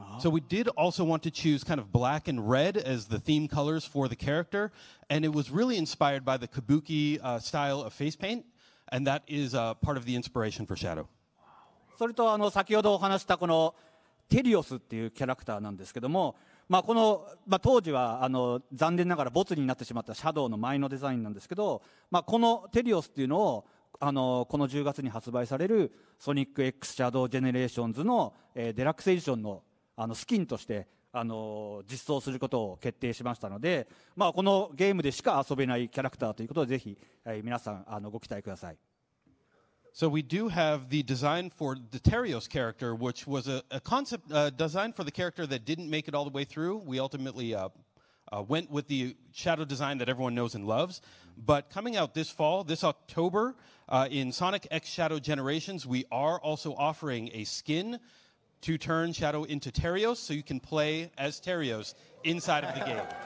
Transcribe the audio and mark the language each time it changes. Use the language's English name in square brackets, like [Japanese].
[English] we did also want to choose kind of black and red as the theme colors for the character, and it was really inspired by the kabuki style of face paint, and that is part of the inspiration for Shadow. [Japanese] それと先ほどお話したこのテリオスっていうキャラクターなんですけども、 この当時は残念ながらボツになってしまったシャドウの前のデザインなんですけど、このテリオスっていうのをこの10月に発売されるソニック X シャドウジェネレーションズのデラックスエディションのあのスキンとしてあの実装することを決定しましたので、まあ、このゲームでしか遊べないキャラクターということをぜひ、皆さんあのご期待ください。 [English] So we do have the design for the Terios character, which was a concept design for the character that didn't make it all the way through. We ultimately went with the shadow design that everyone knows and loves. But coming out this fall, this October, in Sonic X Shadow Generations, we are also offering a skin to turn Shadow into Terios, so you can play as Terios inside of the game.